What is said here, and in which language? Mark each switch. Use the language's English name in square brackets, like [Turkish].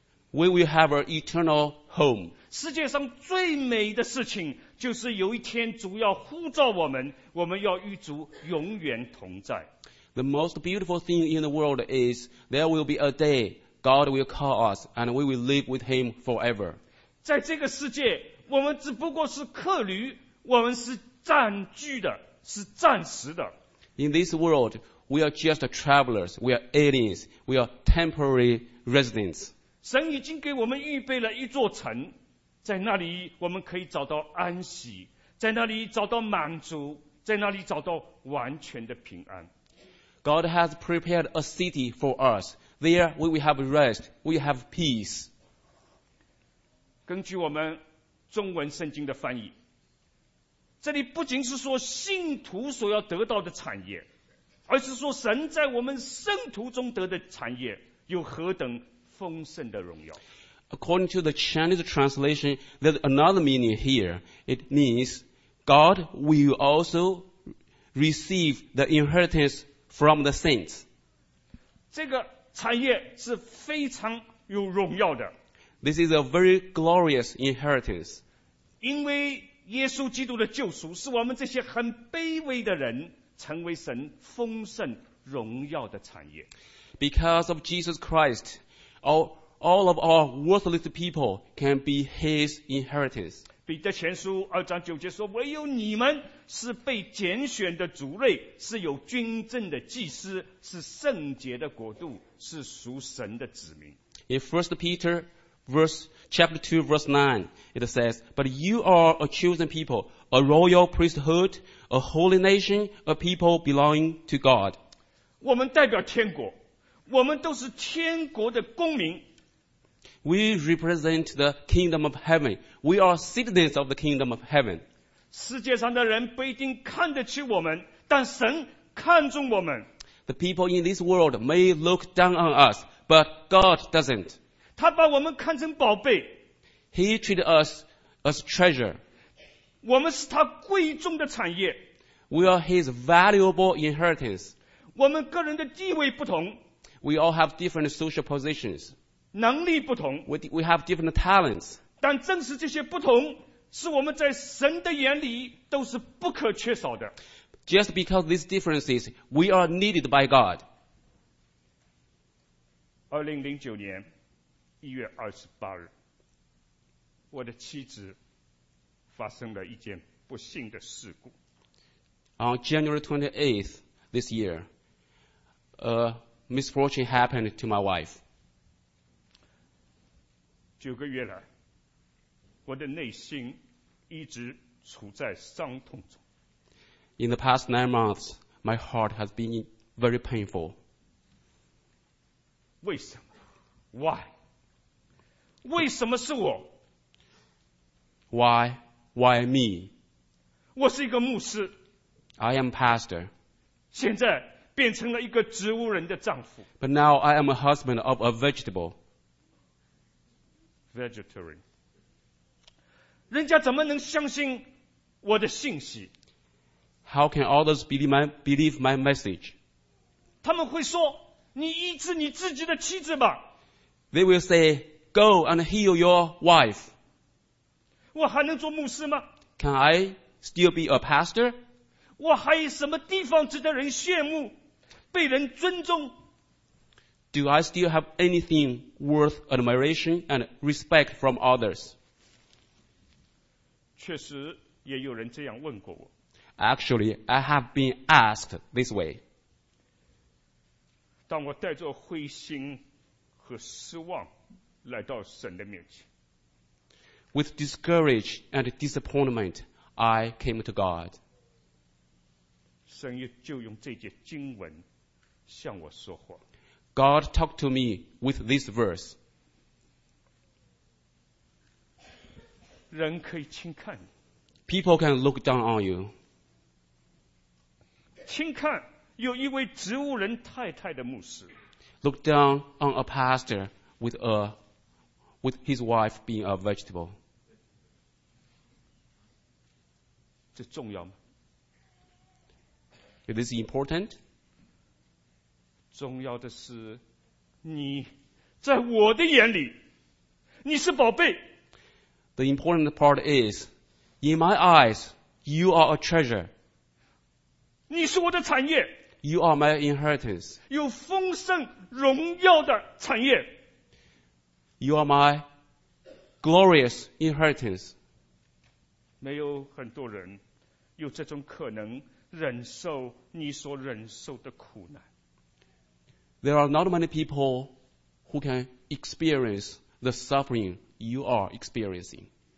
[English] We will have an eternal home. [Chinese] 世界上最美的事情就是有一天主要呼召我们，我们要与主永远同在。 [English] the most beautiful thing in the world is there will be a day God will call us and we will live with Him forever. [Chinese] 在这个世界，我们只不过是客旅，我们是暂居的，是暂时的。 [English] In this world, we are just travelers, we are aliens, we are temporary residents. [Chinese] 神已经给我们预备了一座城，在那里我们可以找到安息，在那里找到满足，在那里找到完全的平安。 [English] God has prepared a city for us. There we will have rest, we have peace. [Chinese] 根据我们中文圣经的翻译，这里不仅是说信徒所要得到的产业，而是说神在我们圣徒中得的产业有何等丰盛的荣耀。 [English] According to the Chinese translation, there's another meaning here. It means God will also receive the inheritance from the saints. [Chinese] 这个产业是非常有荣耀的。 [English] This is a very glorious inheritance. [Chinese] 因为耶稣基督的救赎是我们这些很卑微的人成为神丰盛荣耀的产业。 [English] Because of Jesus Christ, all of our worthless people can be His inheritance. [Chinese] 彼得前书二章九节说，唯有你们是被拣选的族类，是有君政的祭司，是圣洁的国度，是属神的子民。 [English] In 1 Peter chapter 2 verse 9, it says, But you are a chosen people, a royal priesthood, a holy nation, a people belonging to God. [Chinese] 我们代表天国，我们都是天国的公民。 [English] We represent the kingdom of heaven. We are citizens of the kingdom of heaven. [Chinese] 世界上的人不一定看得起我们，但神看重我们。 [English] The people in this world may look down on us, but God doesn't. [Chinese] 他把我们看成宝贝。 [English] He treated us as treasure. [Chinese] 我们是他贵重的产业。 [English] We are his valuable inheritance. [Chinese] 我们个人的地位不同。 [English] We all have different social positions. [Chinese] 能力不同 [English] we have different talents. [Chinese] 但正是这些不同是我们在神的眼里都是不可缺少的。 [English] Just because these differences, we are needed by God. [Chinese] 2009年1月28日，我的妻子发生了一件不幸的事故。 [English] On January 28th this year, a misfortune happened to my wife. [Chinese] 九个月来，我的内心一直处在伤痛中。 [English] In the past 9 months, my heart has been very painful. [Chinese] 为什么 ？ [English] Why？ [Chinese] 为什么是我 [English] ？Why？ Why me？ [Chinese] 我是一个牧师。 [English] I am pastor. [Chinese] 现在变成了一个植物人的丈夫。 [English] But now I am a husband of a vegetable. Vegetarian. [Chinese] 人家怎么能相信我的信息？ [English] How can others believe my message? [Chinese] 他们会说，你医治你自己的妻子吧。 [English] They will say, go and heal your wife. [Chinese] 我还能做牧师吗？ [English] Can I still be a pastor? [Chinese] 我还有什么地方值得人羡慕，被人尊重？ [English] Do I still have anything worth admiration and respect from others? [Chinese] 确实也有人这样问过我。 [English] Actually, I have been asked this way. [Chinese] 当我带着灰心和失望来到神的面前。 [English] With discouragement and disappointment, I came to God. [Chinese] 神就用这节经文向我说话。 [English] God talked to me with this verse. [Chinese] 人可以轻看你。 [English] People can look down on you. [Chinese] 轻看有一位植物人太太的牧师。 [English] Look down on a pastor with his wife being a vegetable. [Chinese] 这重要吗？ [English] Is this important? [Chinese] 重要的是你在我的眼里你是宝贝。 [English] The important part is in my eyes you are a treasure. [Chinese] 你是我的产业。 [English] You are my inheritance. [Chinese] 有丰盛荣耀的产业。 [English] You are my glorious inheritance. [Chinese] 没有很多人有这种可能忍受你所忍受的苦难。 [English] There are not many people who can experience the suffering you are experiencing.